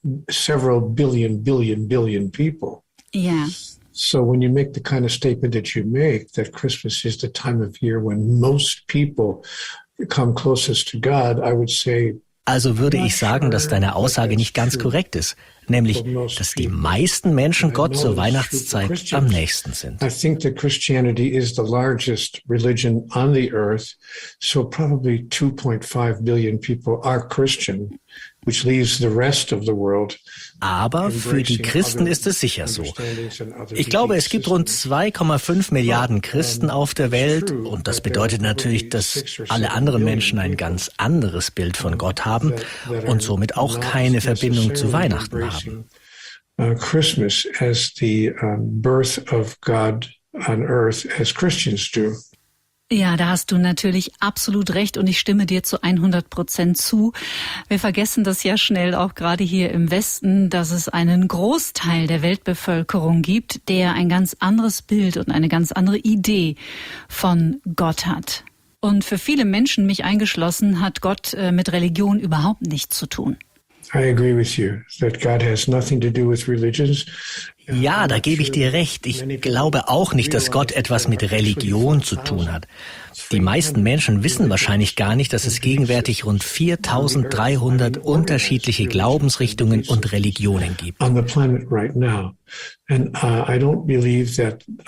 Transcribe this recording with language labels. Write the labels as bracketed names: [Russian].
[English] Several billion people. Yeah. So when you make the kind of statement that you make, that Christmas is the time of year when most people come closest to God, I would say. [German] Also würde ich sagen, dass deine Aussage nicht ganz korrekt ist, nämlich, dass die meisten Menschen Gott zur Weihnachtszeit am nächsten sind. [English] I think that Christianity is the largest religion on the earth, so probably 2.5 billion people are Christian. which leaves the rest of the world. [German] Aber für die Christen ist es sicher so. Ich glaube, es gibt rund 2,5 Milliarden Christen auf der Welt und das bedeutet natürlich, dass alle anderen Menschen ein ganz anderes Bild von Gott haben und somit auch keine Verbindung zu Weihnachten haben. [English] Christmas as the birth of God on earth as Christians do. [German] Ja, da hast du natürlich absolut recht und ich stimme dir zu 100% zu. Wir vergessen das ja schnell auch gerade hier im Westen, dass es einen Großteil der Weltbevölkerung gibt, der ein ganz anderes Bild und eine ganz andere Idee von Gott hat. Und für viele Menschen, mich eingeschlossen, hat Gott mit Religion überhaupt nichts zu tun. [English] I agree with you that God has nothing to do with religions. [German] Ja, da gebe ich dir recht. Ich glaube auch nicht, dass Gott etwas mit Religion zu tun hat. Die meisten Menschen wissen wahrscheinlich gar nicht, dass es gegenwärtig rund 4.300 unterschiedliche Glaubensrichtungen und Religionen gibt. [English] On the planet right now. And I don't believe that